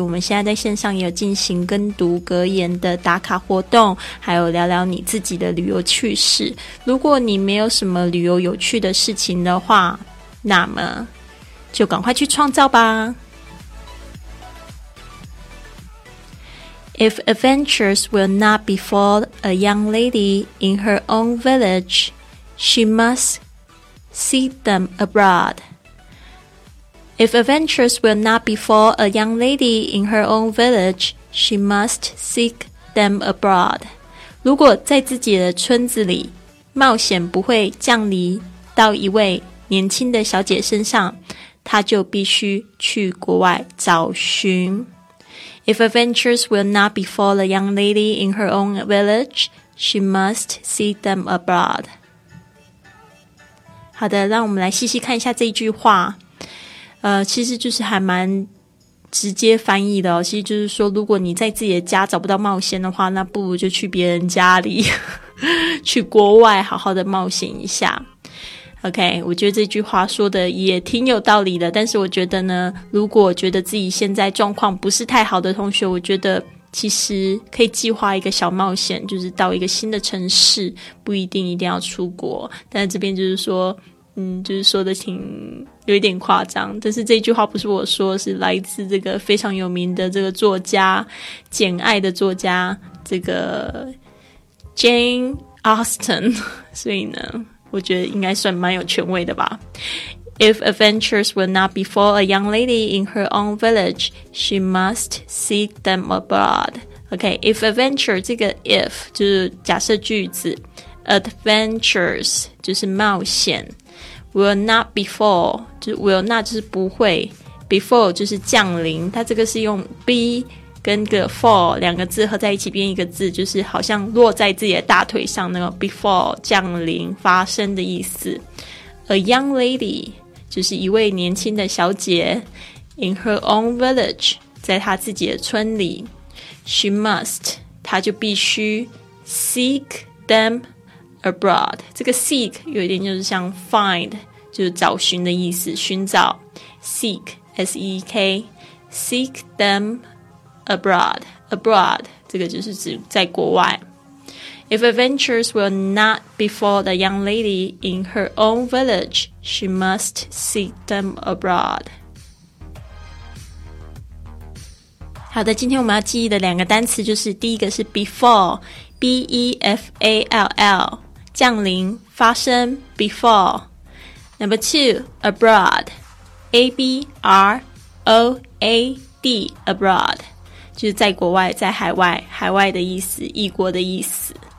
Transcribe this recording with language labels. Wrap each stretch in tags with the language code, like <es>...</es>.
<zh>我们现在在线上也有进行跟读格言的打卡活动，还有聊聊你自己的旅游趣事。如果你没有什么旅游有趣的事情的话，那么就赶快去创造吧。</zh> <en>If adventures will not befall a young lady in her own village, she must seek them abroadIf adventures will not befall a young lady in her own village, she must seek them abroad.</en> <zh>如果在自己的村子里，冒险不会降临到一位年轻的小姐身上，她就必须去国外找寻。</zh> <en>If adventures will not befall a young lady in her own village, she must seek them abroad.</en> <zh>好的，让我们来细细看一下这一句话。其实就是还蛮直接翻译的哦，其实就是说如果你在自己的家找不到冒险的话，那不如就去别人家里去国外好好的冒险一下。 OK， 我觉得这句话说的也挺有道理的，但是我觉得呢，如果觉得自己现在状况不是太好的同学，我觉得其实可以计划一个小冒险，就是到一个新的城市，不一定一定要出国。但这边就是说就是说的挺有一点夸张，但是这句话不是我说，是来自这个非常有名的这个作家，简爱的作家，这个 Jane Austen， 所以呢我觉得应该算蛮有权威的吧。</zh> <en>If adventures will not befall a young lady in her own village, she must seek them abroad. OK, if adventure</en> <zh>这个 if 就是假设句子， adventures 就是冒险，</zh> <en>Will not befall</en> <zh>就 will not 就是不会， befall 就是降临，它这个是用 be 跟个 fall 两个字合在一起编一个字，就是好像落在自己的大腿上那个 befall 降临发生的意思。</zh> <en>A young lady</en> <zh>就是一位年轻的小姐，</zh> <en>in her own village</en> <zh>在她自己的村里，</zh> <en>she must</en> <zh>她就必须</zh> <en>seek themabroad，</en> <zh>这个 seek 有一点就是像 find 就是找寻的意思，寻找 seek S-E-E-K seek them abroad， abroad 这个就是指在国外。</zh> <en>If adventures will not befall the young lady in her own village, she must seek them abroad。</en> <zh>好的，今天我们要记忆的两个单词就是第一个是 befall B-E-F-A-L-L降临发生 befall。</zh> <en>Number two,</en> <zh>abroad A-B-R-O-A-D abroad 就是在国外，在海外，海外的意思，异国的意思。</zh>